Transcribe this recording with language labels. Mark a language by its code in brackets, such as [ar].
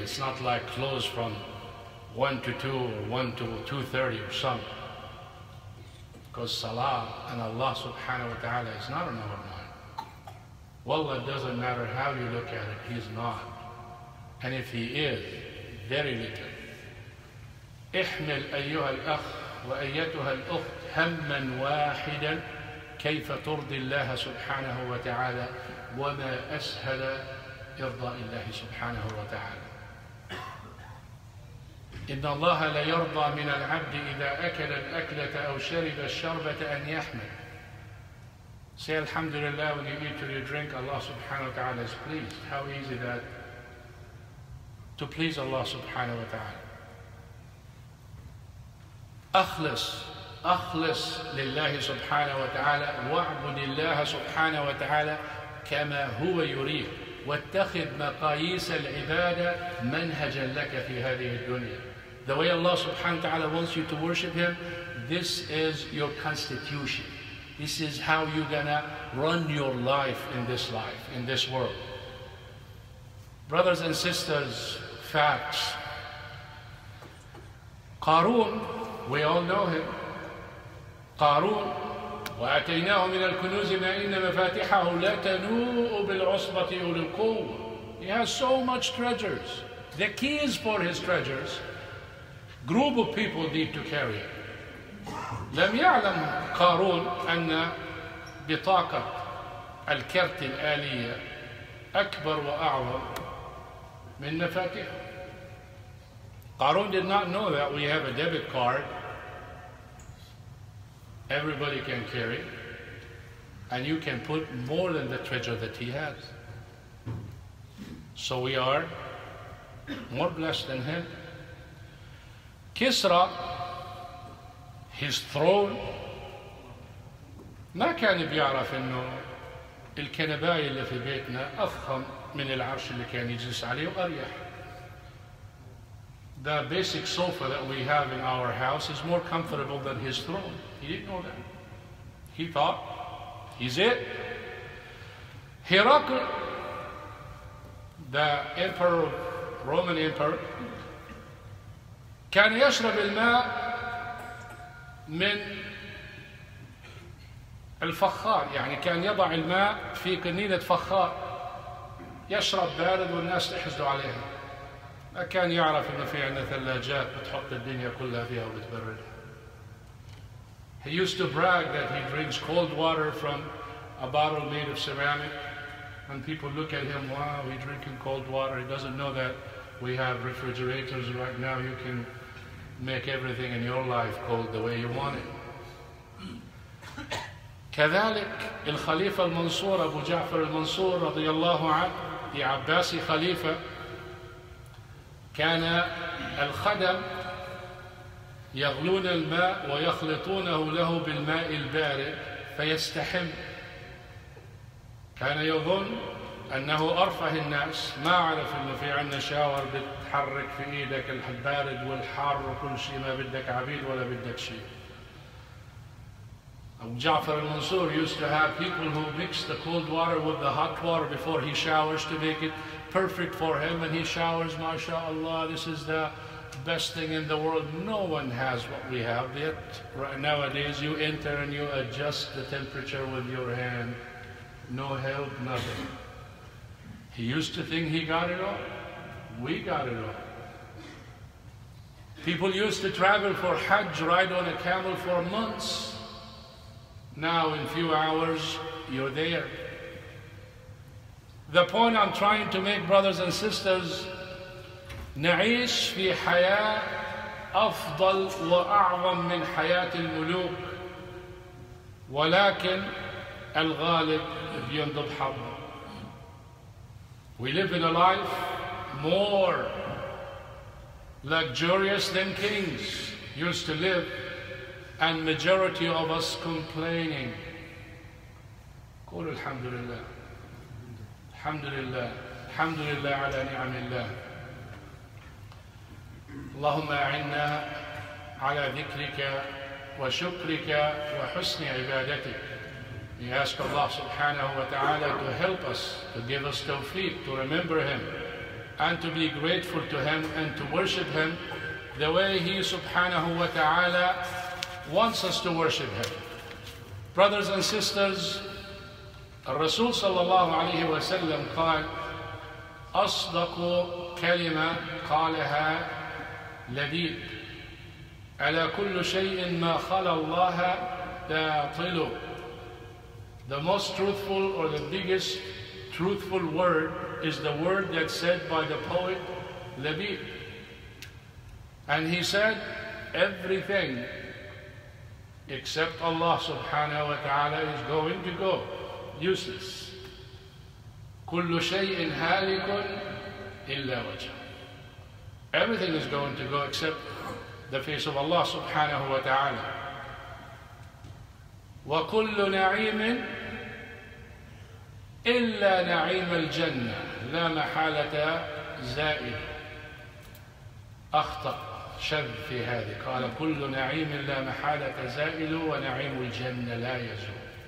[en] It's not like close from 1 to 2 or 1 to 2:30 or something. Because Salah and Allah subhanahu wa ta'ala is not an overnight. Wallah, it doesn't matter how you look at it, he's not. And if he is, very little. [ar] احمل أيها الأخ وأيتها الأخت هما واحدا كيف ترضي الله سبحانه وتعالى وما أسهل إرضاء الله سبحانه وتعالى. إن الله لا يرضى من العبد إذا أكل الأكلة أو شرب الشربة أن يحمل. [en] Say alhamdulillah when you eat or you drink, Allah subhanahu wa ta'ala is pleased. How easy that to please Allah subhanahu wa ta'ala. [ar] أخلص أخلص لله سبحانه وتعالى واعبد الله سبحانه وتعالى كما هو يريد واتخذ مقاييس العبادة منهجا لك في هذه الدنيا. [en] The way Allah subhanahu wa ta'ala wants you to worship Him, this is your constitution. This is how you're gonna run your life, in this world. Brothers and sisters, facts. Qarun, we all know him. [ar] قارون وأتيناه من الكنوز ما إن مفاتحه لا تنوء بالعصبة أولي القوة. [en] He has so much treasures. The keys for his treasures, group of people need to carry. [ar] لم يعلم قارون أن بطاقة الكرت الآلية أكبر وأعظم من مفاتيحه. [en] قارون did not know that we have a debit card. Everybody can carry, and you can put more than the treasure that he has. So we are more blessed than him. [ar] Kisra, [en] his throne, [ar] ما كان بيعرف إنه الكنباية اللي في بيتنا أفخم من العرش اللي كان يجلس عليه وأريح. [en] The basic sofa that we have in our house is more comfortable than his throne. He didn't know that. He thought, he's it. Herakl, the emperor, Roman emperor, [ar] كان يشرب الماء من الفخار. يعني كان يضع الماء في قنينة فخار. يشرب بارد والناس تحزنوا عليها. ما كان يعرف إنه في عندنا ثلاجات بتحط الدنيا كلها فيها وبتبردها. [en] He used to brag that he drinks cold water from a bottle made of ceramic. When people look at him, wow, he's drinking cold water. He doesn't know that we have refrigerators right now. You can make everything in your life cold the way you want it. [ar] كذلك الخليفة المنصور أبو جعفر المنصور رضي الله عنه في عباسي خليفة كان الخدم يغلون الماء ويخلطونه له بالماء البارد فيستحم. كان يظن أنه أرفه الناس. ما عرف أنه في عندنا شاور بتحرك في إيدك البارد والحار وكل شيء. ما بدك عبيد ولا بدك شيء. [en] أبو جعفر المنصور used to have people who mix the cold water with the hot water before he showers to make it perfect for him, and he showers, mashallah, this is the best thing in the world. No one has what we have yet. Right nowadays, you enter and you adjust the temperature with your hand. No help, nothing. He used to think he got it all. We got it all. People used to travel for Hajj, ride on a camel for months. Now, in a few hours, you're there. The point I'm trying to make, brothers and sisters, [ar] نعيش في حياة أفضل وأعظم من حياة الملوك ولكن الغالب بينضب حظه. [en] We live in a life more luxurious than kings used to live, and majority of us complaining. [ar] قول الحمد لله. الحمد لله. الحمد لله على نعم الله. اللهم أعنا على ذكرك وشكرك وحسن عبادتك. [en] We ask Allah subhanahu wa ta'ala to help us, to give us tawfiq, to remember Him, and to be grateful to Him and to worship Him the way He subhanahu wa ta'ala wants us to worship Him. Brothers and sisters, Rasul sallallahu alayhi wa sallam [ar] قال أصدق كلمة قالها لبيب على كل شيء ما خلا الله باطل. [en] The most truthful or the biggest truthful word is the word that said by the poet Labib. And he said, everything except Allah subhanahu wa ta'ala is going to go useless. [ar] كل شيء هالك إلا وجه. [en] Everything is going to go except the face of Allah subhanahu wa ta'ala. [ar] وكل نعيم إلا نعيم الجنة لا محالة زائل. أخطأ شذ في هذه. قال كل نعيم لا محالة زائل ونعيم الجنة لا يزول.